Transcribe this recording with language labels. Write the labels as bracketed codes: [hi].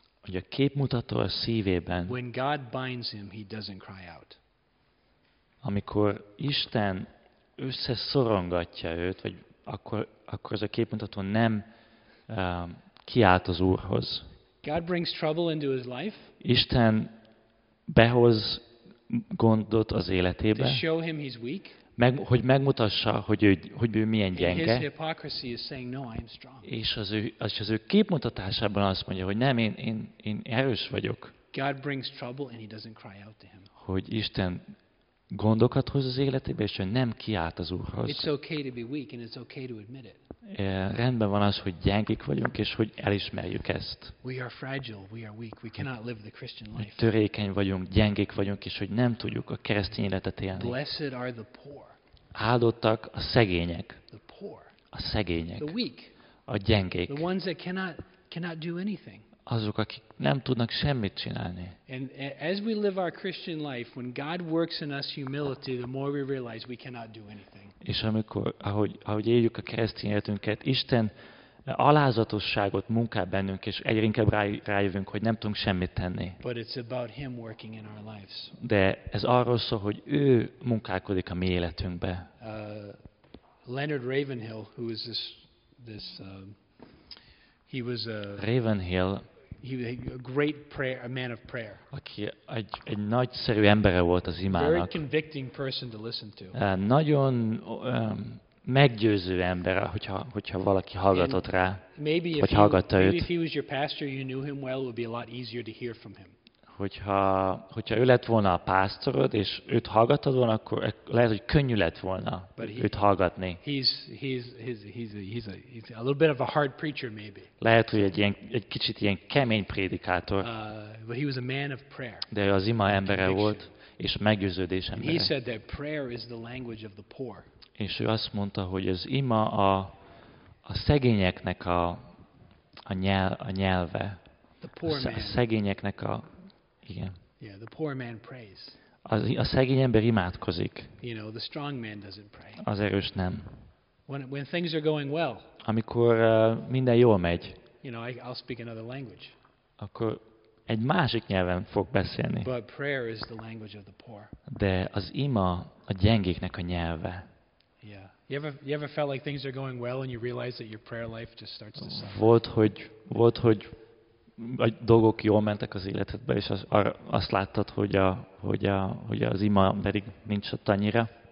[hu] Hogy a képmutató a szívében. [en] When God binds him, he doesn't cry out. [hu] Amikor Isten összeszorongatja őt, vagy akkor ez a képmutató nem kiált az Úrhoz. [en] God brings trouble into his life. [hu] Isten behoz gondot az életébe. [en] To show him he's weak. [hu] Hogy megmutassa, hogy ő milyen gyenge. [en] His hypocrisy is saying, no, I'm strong. [hu] És az ő képmutatásában azt mondja, hogy nem, én erős vagyok. [en] God brings trouble and he doesn't cry out to him. [hu] Hogy Isten gondokat hoz az életébe, és ő nem kiált az Úrhoz. [en] It's okay to be weak and it's okay to admit it. [hu] Rendben van az, hogy gyengék vagyunk, és hogy elismerjük ezt. [en] We are fragile, we are weak, we cannot live the Christian life. [hu] Törékeny vagyunk, gyengék vagyunk, és hogy nem tudjuk a keresztény életet élni. [en] Blessed are the poor. [hu] Áldottak a szegények. [en] The poor. [hu] A szegények. [en] The weak. [hu] A gyengék. [en] The ones that cannot do anything. [hu] Azok, akik nem tudnak semmit csinálni. [en] And as we live our Christian life, when God works in us humility, the more we realize we cannot do anything. [hu] És amikor, ahogy éljük a keresztény életünket, Isten alázatosságot munkál bennünk, és egyre inkább rájövünk, hogy nem tudunk semmit tenni. [en] But it's about him working in our lives. [hu] De ez arról szól, hogy ő munkálkodik a mi életünkbe. [en] Leonard Ravenhill, who is this he was a [hu] Ravenhill. [en] He was a great prayer, a man of prayer. [hu] Aki egy nagyszerű embere volt az imának. [en] Very convicting person to listen to. [hu] Nagyon meggyőző ember, hogyha valaki hallgatott rá, vagy hallgatta őt. [en] Maybe if he was your pastor, you knew him well, it would be a lot easier to hear from him. [hu] Hogyha ő lett volna a pásztorod, és őt hallgattad volna, akkor lehet, hogy könnyű lett volna őt hallgatni. [en] He's a little bit of a hard preacher maybe. [hu] Lehet, hogy egy kicsit ilyen kemény prédikátor. [en] But he was a man of prayer. [hu] De ő az ima embere volt, és meggyőződés embere. [en] He said that prayer is the language of the poor. [hu] És ő azt mondta, hogy az ima a szegényeknek a nyelve. [en] The poor [hu] a szegényeknek a igen. [en] Yeah, the poor man prays. [hu] A szegény ember imádkozik. [en] You know, the strong man doesn't pray. [hu] Az erős nem. [en] When things are going well. [hu] Amikor minden jól megy. [en] You know, I'll speak another language. [hu] Akkor egy másik nyelven fog beszélni. [en] But prayer is the language of the poor. [hu] De az ima a gyengéknek a nyelve. [en] Yeah. You ever felt like things are going well and you realize that your prayer life just starts to suffer? [hu] Volt, hogy a dolgok jól mentek az életedbe, és azt láttad, hogy az ima pedig nincs ott annyira.